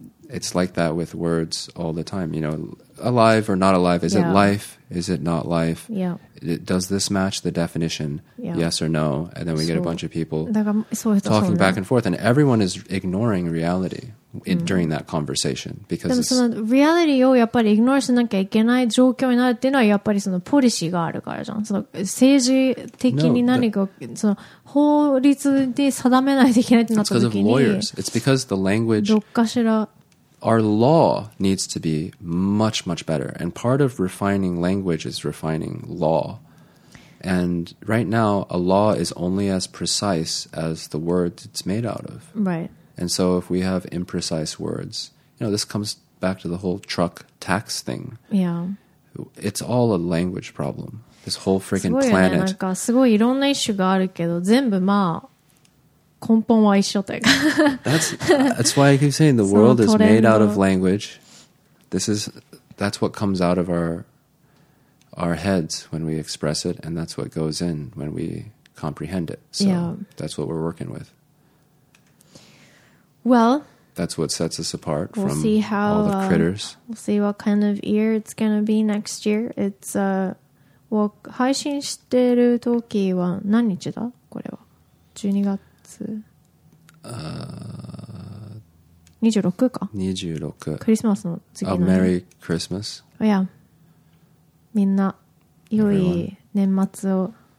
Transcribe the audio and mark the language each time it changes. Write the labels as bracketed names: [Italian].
[English] It's like that with words all the time. You know, alive or not alive, is it life? Is it not life? Yeah. Does this match the definition? Yeah. Yes or no? And then we get a bunch of people talking back and forth. And everyone is ignoring reality. During that conversation, because [Japanese] でもそのリアリティをやっぱりイグノーしなきゃいけない状況になるっていうのはやっぱりそのポリシーがあるからじゃん。その政治的に何かその法律で定めないといけないってなった時に、 [English] It's because the language, [Japanese] どっかしら、 [English] our law needs to be much much better. And part of refining language is refining law. And right now, a law is only as precise as the words it's made out of. Right. And so if we have imprecise words, you know, this comes back to the whole truck tax thing. Yeah. It's all a language problem. This whole freaking planet. [Japanese] なんかすごいいろんな issue があるけど、全部まあ、根本は一緒というか。 [English] That's why I keep saying the world is made out of language. That's what comes out of our heads when we express it, and that's what goes in when we comprehend it. So that's what we're working with. Well, that's what sets us apart we'll from see how, all the critters. We'll see what kind of year it's going to be next year. It's [Japanese] を配信してる時は何日だ？これは12月26か。 26。クリスマスの次の日。メリークリスマス。いや、みんな良い年末を。